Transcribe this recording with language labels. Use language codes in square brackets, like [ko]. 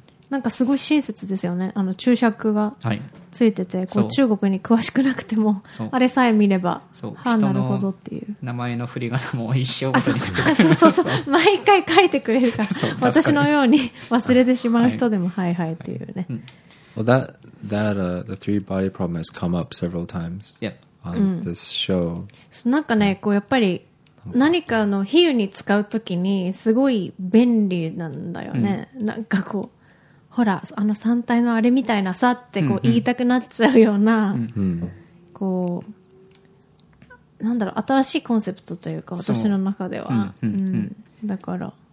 [ja] なんかすごい親切ですよね。あの注釈がついてて、はい、こう中国に詳しくなくてもあれさえ見ればはあ、なるほどっていう。名前の振り仮名も一生ごとに振ってくれる。そう毎回書いてくれるから、か私のように忘れてしまう人でも、はい、はいはいっていうね。 [en] Well, that the three body problem has come up several times、 yeah. on this show. [ja] なんかね、こうやっぱり何かの比喩に使うときにすごい便利なんだよね、なんかこうほらあの三体のあれみたいなさってこう言いたくなっちゃうようなこうなんだろう、新しいコンセプトというか私の中では、だから